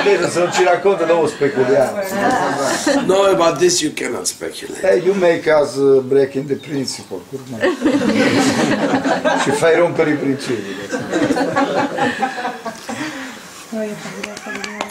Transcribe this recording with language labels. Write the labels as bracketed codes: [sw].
[it] Se non ci racconta dopo speculiamo. [en] No, about this you cannot speculate. Hey, you make us break in the principle. [it] Ci fai rompere i principi.